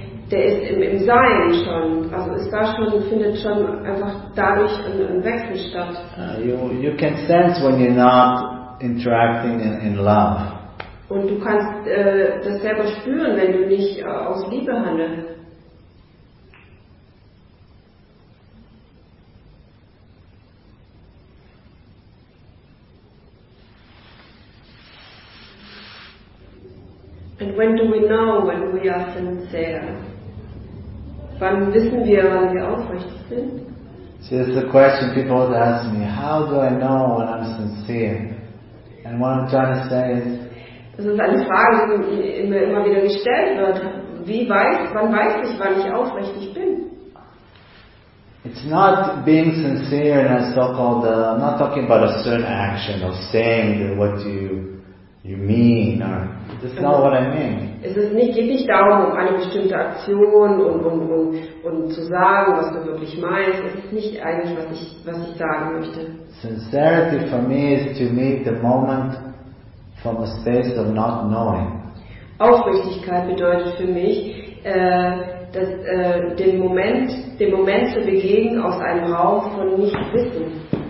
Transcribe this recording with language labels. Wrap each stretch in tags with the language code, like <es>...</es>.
<de>Der ist im Sein schon. Also ist da schon, findet schon einfach dadurch ein Wechsel statt.</de> <en>You can sense when you're not interacting in love.</en> <de>Und du kannst das selber spüren, wenn du nicht aus Liebe handelst.</de> <en>And when do we know when we are sincere?</en> <de>Wann wissen wir, wann wir aufrichtig sind?</de> <en>See, this is the question people always ask me. How do I know when I'm sincere? And what I'm trying to say is,</en> <de>das ist eine Frage, die mir immer wieder gestellt wird. Wann weiß ich, wann ich aufrichtig bin?</de> <en>It's not being sincere in a so-called, I'm not talking about a certain action or saying what you mean. Or, that's not what I mean.</en> <de>Geht nicht darum, um eine bestimmte Aktion und zu sagen, was du wirklich meinst. Es ist nicht eigentlich, was ich sagen möchte.</de> <en>Sincerity for me is to meet the moment from a space of not knowing.</en> <de>Aufrichtigkeit bedeutet für mich, den Moment zu begegnen aus einem Raum von Nichtwissen.</de>